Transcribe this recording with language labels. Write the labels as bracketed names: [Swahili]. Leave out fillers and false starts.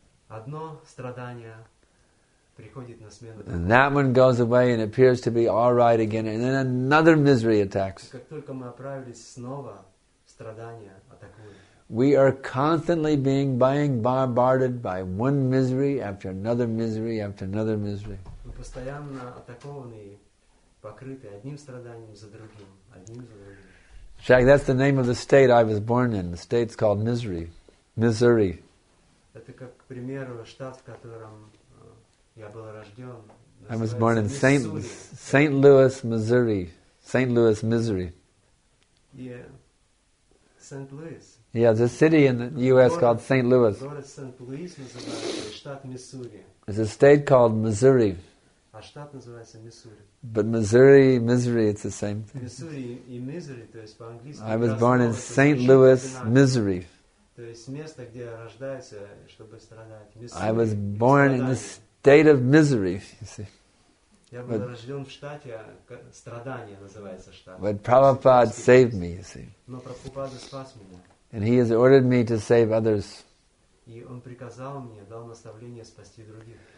[Russian] Одно страдание приходит на смену. [English] And that one goes away and appears to be all right again, and then another misery attacks. [Russian] Как только мы оправились, снова страдания атакуют. [English] We are constantly being bombarded by one misery after another misery after another misery. [Russian] Мы постоянно атакованы. Покрыты одним страданием за другим, одним за другим. [English] Jack, that's the name of the state I was born in. The state's called Misery. Missouri. [Russian] Это как, к примеру, штат, в котором я был рожден. [English] I was born in St. Louis, Missouri. St. Louis, Misery. Yeah. St. Louis. Yeah, there's a city in the U.S. called St. Louis. [Russian] Город St. Louis называется штат Миссури. [English] It's a state called Missouri. [Russian] А штат называется Миссури. [English] But Missouri, misery, it's the same thing. [Russian] Missouri и misery, то есть по-английски. [English] I was born in St. Louis, misery. [Russian] То есть место, где рождаешься, чтобы страдать. [English] I was born in the state of misery, you see. [Russian] Я был рожден в штате, страдание называется штат. [English] But Prabhupada saved me, you see. [Russian] Но Прабхупада спас меня. [English] And he has ordered me to save others. [Russian] И он приказал мне, дал наставление спасти других.